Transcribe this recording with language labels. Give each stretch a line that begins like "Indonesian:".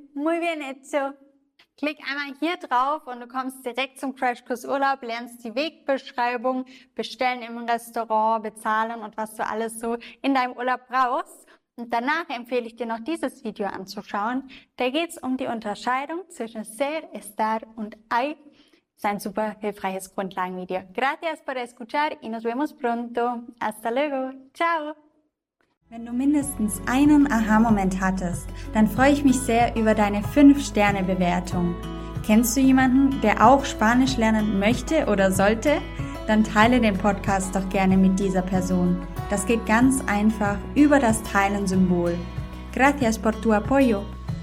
Spanish: Muy bien hecho.
German: Klick einmal hier drauf und du kommst direkt zum Crashkurs Urlaub, lernst die Wegbeschreibung, bestellen im Restaurant, bezahlen und was du alles so in deinem Urlaub brauchst. Und danach empfehle ich dir noch dieses Video anzuschauen. Da geht es um die Unterscheidung zwischen ser, estar und hay. Das ist ein super hilfreiches Grundlagenvideo.
Spanish: Gracias por escuchar y nos vemos pronto. Hasta luego. Ciao.
German: Wenn du mindestens einen Aha-Moment hattest, dann freue ich mich sehr über deine 5-Sterne-Bewertung. Kennst du jemanden, der auch Spanisch lernen möchte oder sollte? Dann teile den Podcast doch gerne mit dieser Person. Das geht ganz einfach über das Teilen-Symbol.
Spanish: Gracias por tu apoyo.